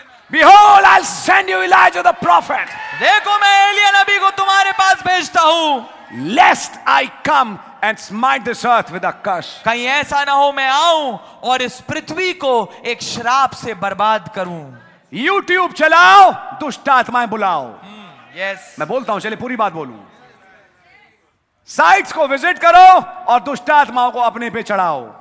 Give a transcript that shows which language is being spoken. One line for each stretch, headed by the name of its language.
English: Behold, I'll send you Elijah the prophet.
Hindi: देखो मैं एलिया नबी को तुम्हारे पास भेजता हूँ.
English: Lest I come and smite this earth with a curse.
Hindi: कहीं ऐसा ना हो मैं आऊं और इस पृथ्वी को एक श्राप से बर्बाद करूं. YouTube चलाओ. दुष्ट आत्माएं बुलाओ.
English: Yes.
Hindi: मैं बोलता हूँ. चलिए पूरी बात बोलूं. साइट्स को विजिट करो और दुष्ट आत्माओं को अपने पे चढ़ाओ.